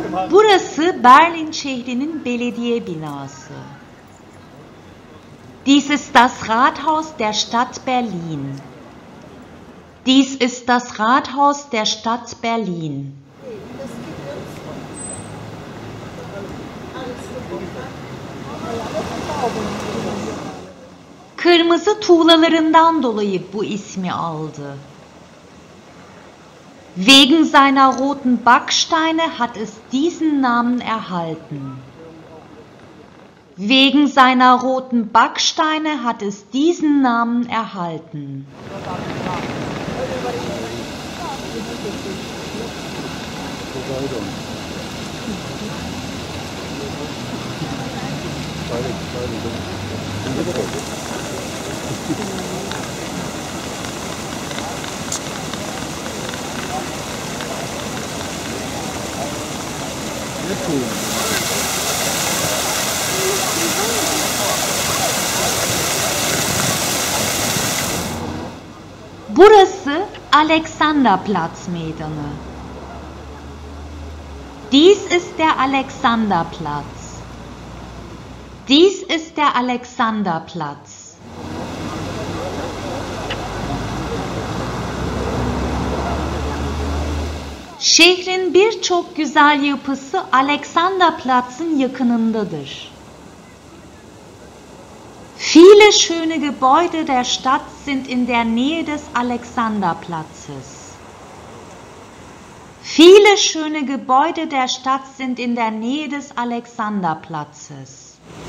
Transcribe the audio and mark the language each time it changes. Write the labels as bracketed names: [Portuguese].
[Turkish] Burası Berlin şehrinin belediye binası. [German] Dies ist das Rathaus der Stadt Berlin. Dies ist das Rathaus der Stadt Berlin. [Turkish] Kırmızı tuğlalarından dolayı bu ismi aldı. [German] Wegen seiner roten Backsteine hat es diesen Namen erhalten. Wegen seiner roten Backsteine hat es diesen Namen erhalten. [Turkish] Burası Alexanderplatz Meydanı. [German] Dies ist der Alexanderplatz. Dies ist der Alexanderplatz. [Turkish] Şehrin birçok güzel yapısı Alexanderplatz'ın yakınındadır. [German] Viele schöne Gebäude der Stadt sind in der Nähe des Alexanderplatzes. Viele schöne Gebäude der Stadt sind in der Nähe des Alexanderplatzes.